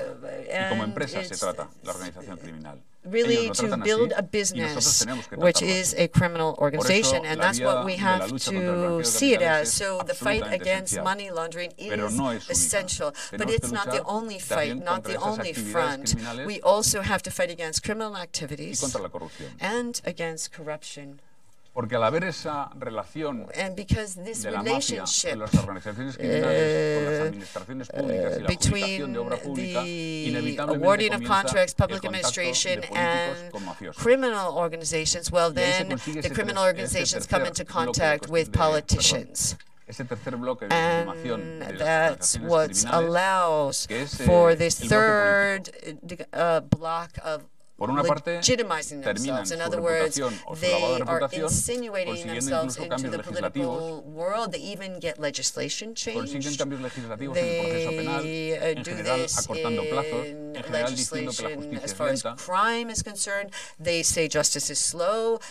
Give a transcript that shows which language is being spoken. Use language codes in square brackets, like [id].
[es] Y como empresa se trata la organización criminal. [en] Really, to build a business which is a criminal organization, and that's what we have to see it as. So the fight against money laundering is essential, but it's not the only fight, not the only front. We also have to fight against criminal activities and against corruption. [es] Porque al haber esa relación de la mafia con las organizaciones criminales, con las administraciones públicas y la adjudicación de obra pública, inevitablemente comienza el contacto de políticos con mafiosos. Y ahí se consigue ese tercer bloque de información de las organizaciones criminales, que es el bloque político. Por una parte, [en] legitimizing themselves. In other words, they are insinuating themselves into the political world. They even get legislation changed. They do this in legislation as far as crime is concerned. They say justice is slow.